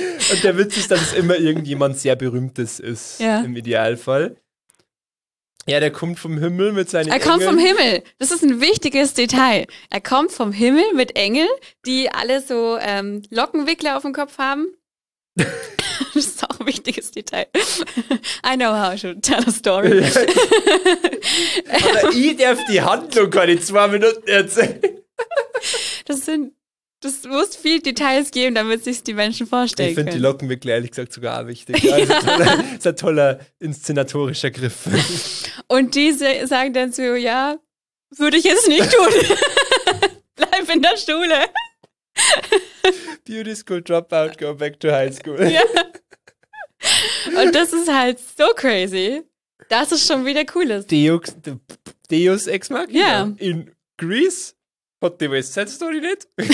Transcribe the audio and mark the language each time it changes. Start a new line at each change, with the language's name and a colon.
German: Und der Witz ist, dass es immer irgendjemand sehr Berühmtes ist, ja. Im Idealfall. Ja, der kommt vom Himmel mit seinen Engeln. Er kommt vom Himmel, das ist ein wichtiges Detail. Er kommt vom Himmel mit Engeln, die alle so Lockenwickler auf dem Kopf haben. Das ist auch ein wichtiges Detail.
English: I know how I should tell a story.
German: Aber ich darf die Handlung quasi 2 Minuten erzählen. Das muss viel Details geben, damit sich die Menschen vorstellen können. Ich finde die Locken wirklich ehrlich gesagt sogar wichtig. Ja. Das ist ein toller inszenatorischer Griff. Und die sagen dann so, ja, würde ich jetzt nicht tun. Bleib in der Schule.
English: Beauty School Dropout, go back to high school.
German: Ja. Und das ist halt so crazy, dass es schon wieder cool ist.
Latin: Deus Ex Machina.
German: Ja. In Greece hat die West Side Story nicht.